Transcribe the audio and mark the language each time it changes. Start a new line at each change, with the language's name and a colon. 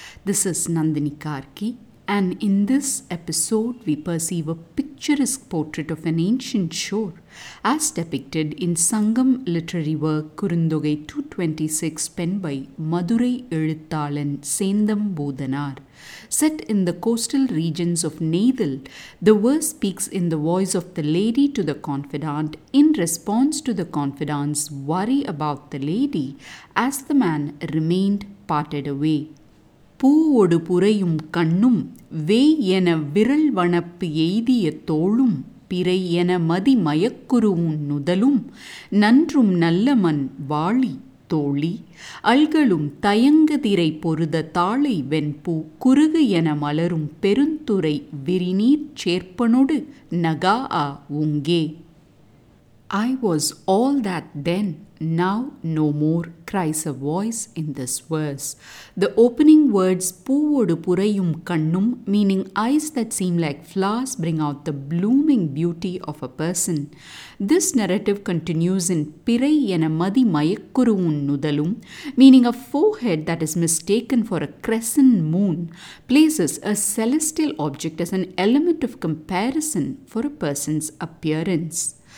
English: This is Nandini Karki, and in this episode we perceive a picturesque portrait of an ancient shore as depicted in Sangam literary work Kurundogai 226 penned by Madurai Ezhuthalan Sendam Bodhanar. Set in the coastal regions of Nathal, the verse speaks in the voice of the lady to the confidant in response to the confidant's worry about the lady as the man remained parted away.
Tamil: பூவொடு புறையும் கண்ணும் வே என விரல் வனப்பு எய்திய தோளும் பிறை என மதி மயக்குருவும் நுதலும் நன்றும் நல்ல மண் வாழி தோழி அல்களும் தயங்குதிரை பொருத தாளை வெண்பூ குறுகு என மலரும் பெருந்துறை விரிநீர் சேர்ப்பனொடு நகா ஆ உங்கே.
English: I was all that then, now no more, cries a voice in this verse. The opening words, Poovodu Purayum Kannum, meaning eyes that seem like flowers, bring out the blooming beauty of a person. This narrative continues in Pirai Yena Madhi Mayakkuruun Nudalum, meaning a forehead that is mistaken for a crescent moon, places a celestial object as an element of comparison for a person's appearance.